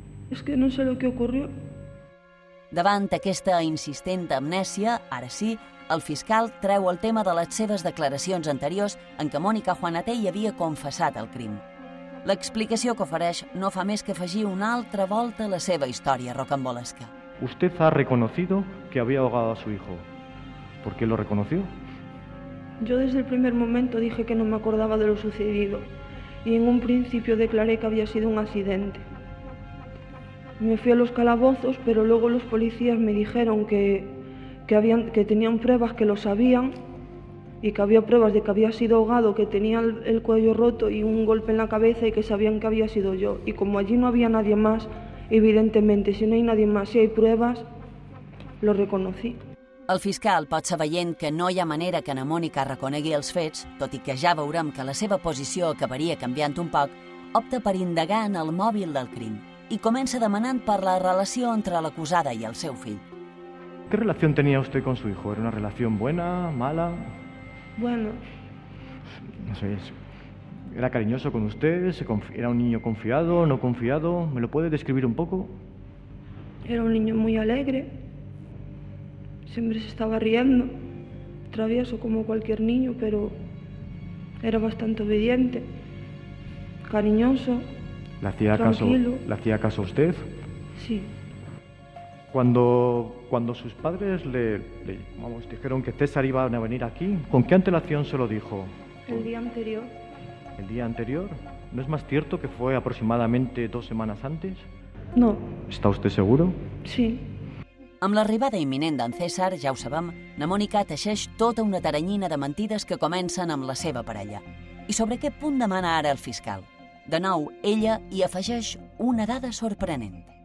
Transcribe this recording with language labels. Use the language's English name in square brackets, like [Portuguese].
[Spanish] Es que no sé lo que ocurrió. [Catalan] Davant aquesta insistent amnèsia, ara sí, el fiscal treu el tema de les seves declaracions anteriors en què Mònica Juanatell havia confessat el crim. L'explicació que ofereix no fa més que afegir una altra volta a la seva història rocambolesca. [Spanish] Usted ha reconocido que había ahogado a su hijo. ¿Por qué lo reconoció? Yo desde el primer momento dije que no me acordaba de lo sucedido y en un principio declaré que había sido un accidente. Me fui a los calabozos, pero luego los policías me dijeron que tenían pruebas, que lo sabían y que había pruebas de que había sido ahogado, que tenía el cuello roto y un golpe en la cabeza y que sabían que había sido yo. Y como allí no había nadie más, evidentemente, si no hay nadie más, si hay pruebas, lo reconocí. [Catalan] El fiscal pot ser veient que no hi ha manera que na Mònica reconegui els fets, tot i que ja veurem que la seva posició acabaria canviant un poc, opta per indagar en el mòbil del crim i comença demanant per la relació entre l'acusada i el seu fill. [Spanish] ¿Qué relación tenía usted con su hijo? ¿Era una relación buena, mala? Bueno. No sé, ¿Era cariñoso con usted? ¿Era un niño confiado, no confiado? ¿Me lo puede describir un poco? Era un niño muy alegre. Siempre se estaba riendo. Travieso como cualquier niño, pero era bastante obediente. Cariñoso. ¿Le hacía caso? ¿Le hacía caso a usted? Sí. Cuando sus padres dijeron que César iba a venir aquí, ¿con qué antelación se lo dijo? El día anterior. ¿El día anterior? ¿No es más cierto que fue aproximadamente 2 semanas antes? No. ¿Está usted seguro? Sí. [Catalan] Amb l'arribada imminent d'en César, ja ho sabem, na Mònica teixeix tota una taranyina de mentides que comencen amb la seva parella. I sobre què punt demana ara el fiscal? De nou, ella hi afegeix una dada sorprenent.